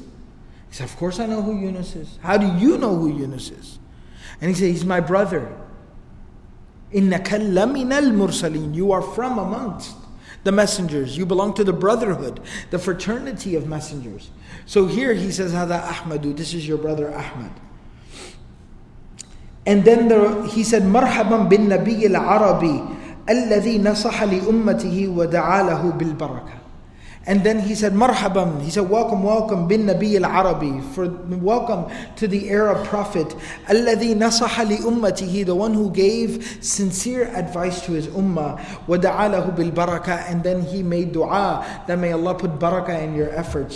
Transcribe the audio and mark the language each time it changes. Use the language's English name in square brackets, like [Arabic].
[English] He said, of course I know who Yunus is. How do you know who Yunus is? And he said, he's my brother. [Arabic] إِنَّكَ لَّمِنَ الْمُرْسَلِينَ. [English] You are from amongst the messengers. You belong to the brotherhood, the fraternity of messengers. So here he says, [Arabic] هَذَا أَحْمَدُ. [English] This is your brother Ahmad. And then he said, [Arabic] مَرْحَبًا بِالنَّبِيِّ الْعَرَبِي الَّذِي نَصَحَ لِأُمَّتِهِ وَدَعَى لَهُ بِالْبَرَكَةِ. [English] And then he said, مَرْحَبًا. He said, welcome, [Arabic] بِالنَّبِيِّ الْعَرَبِي. [English] For welcome to the Arab prophet. [Arabic] الَّذِي نَصَحَ لِأُمَّتِهِ. [English] The one who gave sincere advice to his ummah. [Arabic] وَدَعَى لَهُ بِالْبَرَكَةِ. [English] And then he made dua that may Allah put barakah in your efforts.